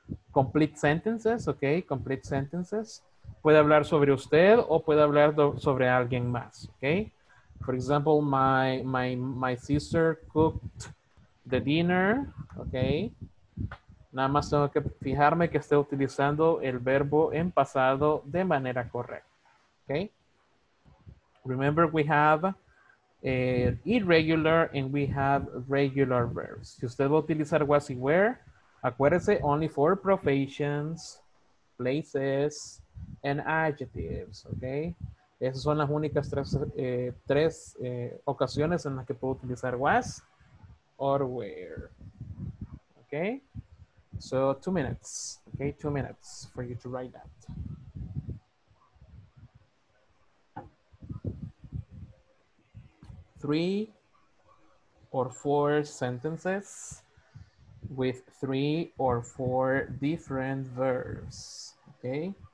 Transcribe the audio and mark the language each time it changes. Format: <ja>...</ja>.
<en>Complete sentences, ¿ok? Complete sentences.</en> <es>Puede hablar sobre usted o puede hablar sobre alguien más, ¿ok?</es> <en>For example, my sister cooked the dinner, ¿ok?</en> <es>Nada más tengo que fijarme que esté utilizando el verbo en pasado de manera correcta.</es> <en>Okay? Remember, we have irregular and we have regular verbs.</en> <es>Si usted va a utilizar was y were, acuérdese,</es> <en>only for professions, places, and adjectives. Okay?</en> <es>Esas son las únicas tres ocasiones en las que puedo utilizar was or were.</es> <en>Okay? So 2 minutes, okay, 2 minutes for you to write that. Three or four sentences with 3 or 4 different verbs, okay?</en>